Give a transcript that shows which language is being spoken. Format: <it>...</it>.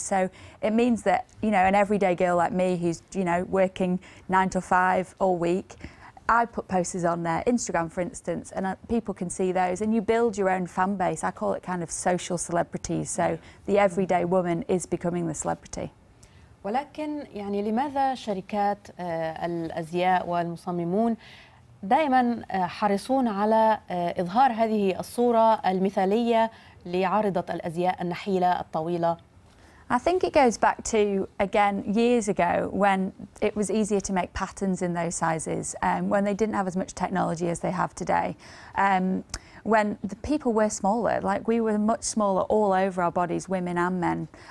<en>So it means that, you know, an everyday girl like me who's, you know, working 9 to 5 all week, I put posters on their Instagram, for instance, and people can see those, and you build your own fan base. I call it kind of social celebrities. So the everyday woman is becoming the celebrity.</en> <ar>ولكن يعني لماذا شركات الأزياء والمصممون دائما حريصون على إظهار هذه الصورة المثالية لعارضة الأزياء النحيلة الطويلة؟</ar> <en>I think it goes back to, again, years ago when it was easier to make patterns in those sizes, when they didn't have as much technology as they have today. When the people were smaller, like we were much smaller all over our bodies, women and men.</en>